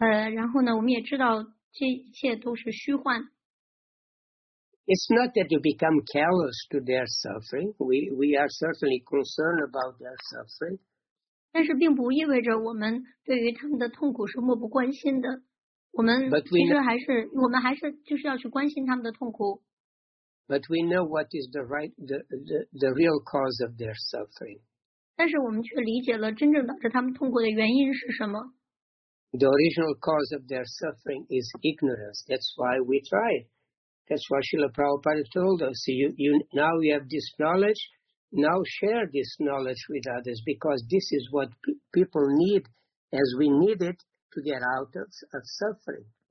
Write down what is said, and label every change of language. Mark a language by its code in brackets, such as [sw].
[zh] 那所以呢，我们就能够更好的去和这些物质世人们去打交道，而且呢，我们也能够去理解他们所处在的这种状况或者痛苦，然后呢，我们也知道这一切都是虚幻。 [en] It's not that you become callous to their suffering. We are certainly concerned about their suffering. [zh] 但是并不意味着我们对于他们的痛苦是漠不关心的。我们其实还是，我们还是就是要去关心他们的痛苦。 [en] But we know what is the real cause of their suffering. [zh] 但是我们却理解了真正导致他们痛苦的原因是什么。 [en] The original cause of their suffering is ignorance. That's why we try. That's why Srila Prabhupada told us, now you have this knowledge, now share this knowledge with others, because this is what people need, as we need it, to get out of suffering.